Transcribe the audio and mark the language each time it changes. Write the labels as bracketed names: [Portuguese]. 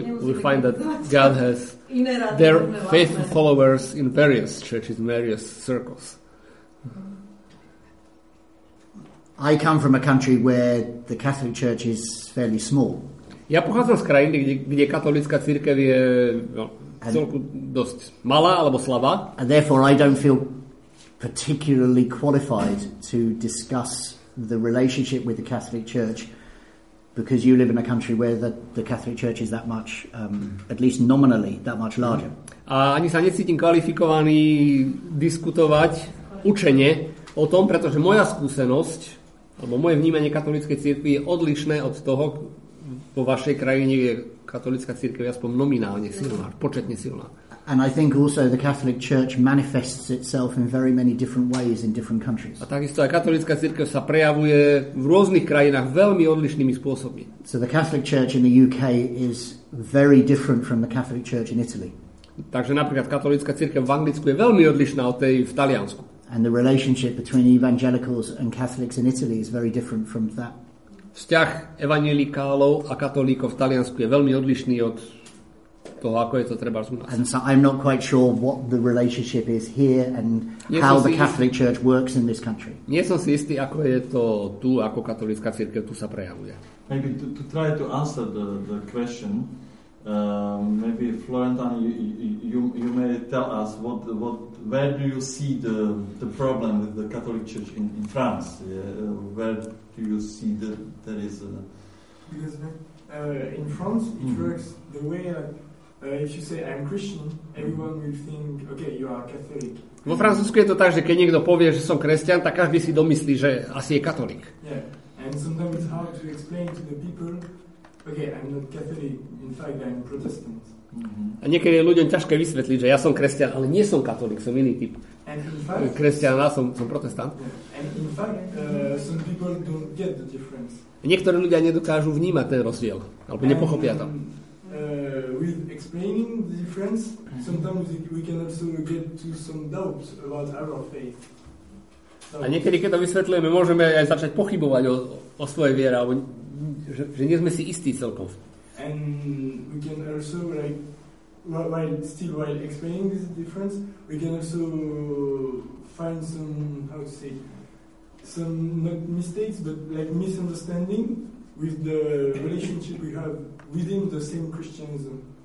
[English] we find that God has their faithful followers in various churches, in various circles. I come from a country where the Catholic Church is fairly small. [Slovak] Ja pochádzam z krajiny, kde katolická cirkev je celku dosť malá alebo slabá. [English] And therefore I don't feel particularly qualified to discuss the relationship with the Catholic Church. Because you live in a country where the Catholic Church is that much, at least nominally, that much larger. [Slovak] A ani sa necítim kvalifikovaný diskutovať učenie o tom, pretože moja skúsenosť, alebo moje vnímanie katolíckej cirkvi je odlišné od toho, vo vašej krajine je katolícka cirkev aspoň nominálne silná, početne silná. [English] And I think also the Catholic Church manifests itself in very many different ways in different countries. [Slovak] A takisto aj katolícka cirkev sa prejavuje v rôznych krajinách veľmi odlišnými spôsobmi. [English] So the Catholic Church in the UK is very different from the Catholic Church in Italy. [Slovak] Takže napríklad katolícka cirkev v Anglicku je veľmi odlišná od tej v Taliansku. [English] And the relationship between evangelicals and Catholics in Italy is very different from that. [Slovak] Vzťah evangelikálov a katolíkov v Taliansku je veľmi odlišný od toho, ako je to treba z nás. [English] And so I'm not quite sure what the relationship is here and how the Catholic Church works in this country. [Slovak] Nie som si istý, ako je to tu, ako katolická cirkev tu sa prejavuje. [English] Maybe to try to answer the question, maybe Florentan, you may tell us what where do you see the problem with the Catholic Church in France? Yeah, where do you see that there is a... Because in France it works the way if you say I'm Christian, everyone will think, okay, you are Catholic. [Slovak] Vo Francúzsku je to tak, že keď niekto povie, že som kresťan, tak každý si domyslí, že asi je katolík. [English] Yeah, and sometimes it's hard to explain to the people, okay, I'm not Catholic, in fact, I'm Protestant. Mm-hmm. [Slovak] A niekedy je ľuďom ťažké vysvetliť, že ja som kresťan, ale nie som katolík, som iný typ. Kresťan, a som protestant. Yeah. [English] And in fact, some people don't get the difference. [Slovak] A niektorí ľudia nedokážu vnímať ten rozdiel, alebo nepochopia to. [English] With explaining the difference, sometimes we can also get to some doubts about our faith. [Slovak] A niekedy, keď to vysvetlujeme, môžeme aj začať pochybovať o svojej viere, alebo že nie sme si istí celkom. [English] And we can also, like, while explaining this difference, we can also find some, how to say, some not mistakes, but like misunderstanding with the relationship we have within the same Christianism.